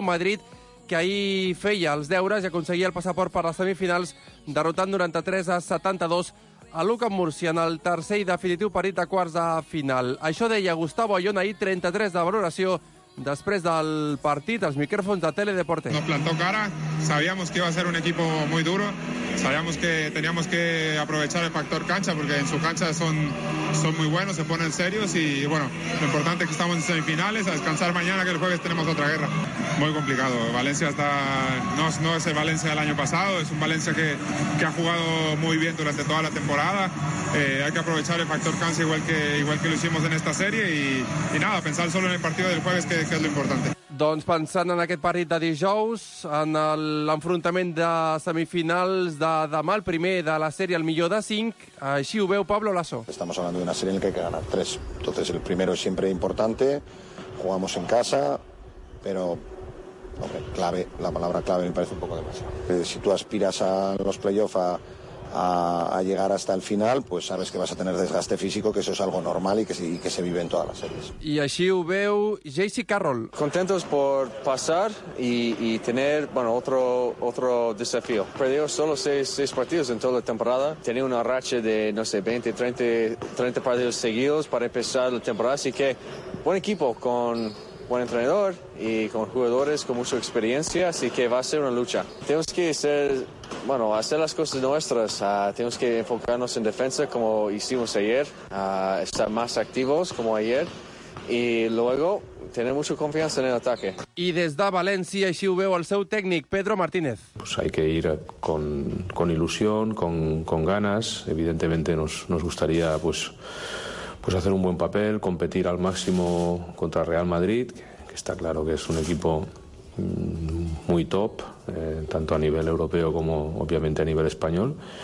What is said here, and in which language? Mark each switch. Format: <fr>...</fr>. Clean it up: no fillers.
<ca>Un Madrid que ahir feia els deures i aconseguia el passaport per les semifinals derrotant 93-72 a Lucas Murcia en el tercer i definitiu partit de quarts de final. Això deia Gustavo Ayón ahir, 33 de valoració després del partit, als micròfons de Teledeporte.</ca> <es>Nos plantó cara, sabíamos que iba a ser un equipo muy duro, sabíamos que teníamos que aprovechar el factor cancha, porque en su cancha son muy buenos, se ponen serios, y bueno, lo importante es que estamos en semifinales, a descansar mañana, que el jueves tenemos otra guerra. Muy complicado, Valencia está, no es el Valencia del año pasado, es un Valencia que ha jugado muy bien durante toda la temporada. Hay que aprovechar el factor cancha igual que lo hicimos en esta serie, y nada, pensar solo en el partido del jueves, que</es> <ca>és l'important. Doncs pensant en aquest partit de dijous, en l'enfrontament de semifinals de demà, el primer de la sèrie, el millor de 5, així ho veu Pablo Laso.</ca> <es>Estamos hablando de una serie en la que hay que ganar 3. Entonces el primero es siempre importante, jugamos en casa, pero hombre, clave, la palabra clave me parece un poco demasiado. Si tú aspiras a los playoffs a llegar hasta el final, pues sabes que vas a tener desgaste físico, que eso es algo normal y que se vive en todas las series. Y así lo veo J.C. Carroll. Contentos por pasar y tener, bueno, otro desafío. Perdió solo 6 partidos en toda la temporada. Tenía una racha de, no sé, 20, 30, 30 partidos seguidos para empezar la temporada. Así que, buen equipo con buen entrenador y con jugadores con mucha experiencia, así que va a ser una lucha. Tenemos que ser, bueno, hacer las cosas nuestras. Tenemos que enfocarnos en defensa como hicimos ayer, estar más activos como ayer y luego tener mucha confianza en el ataque. Y desde</es> <ca>València, així ho veu el seu tècnic, Pedro Martínez.</ca> <es>Pues hay que ir con ilusión, con ganas. Evidentemente nos gustaría pues hacer un buen papel, competir al máximo contra Real Madrid, que Está claro que es un equipo muy top, tanto a nivel europeo como obviamente a nivel español.</es>